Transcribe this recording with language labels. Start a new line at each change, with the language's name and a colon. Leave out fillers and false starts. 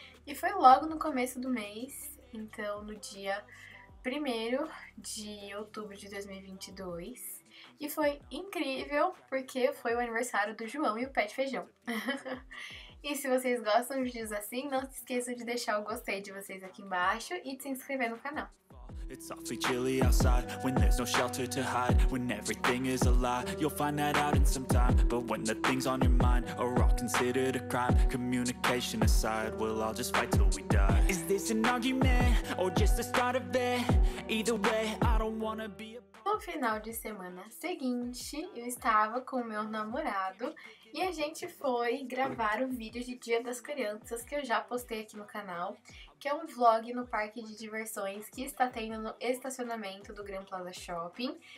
Portuguese: E foi logo no começo do mês, então no dia 1º de outubro de 2022. E foi incrível, porque foi o aniversário do João e o pé de feijão. E se vocês gostam de vídeos assim, não se esqueçam de deixar o gostei de vocês aqui embaixo e de se inscrever no canal.
English: It's awfully chilly outside, when there's no shelter to hide, when everything is a lie, you'll find that out in some time, but when the things on your mind are all considered a crime, communication aside, we'll all just fight till we die. Is this an argument, or just the start of it? Either way, I don't wanna be a...
Portuguese: No final de semana seguinte, eu estava com o meu namorado e a gente foi gravar o vídeo de Dia das Crianças que eu já postei aqui no canal, que é um vlog no parque de diversões que está tendo no estacionamento do Grand Plaza Shopping.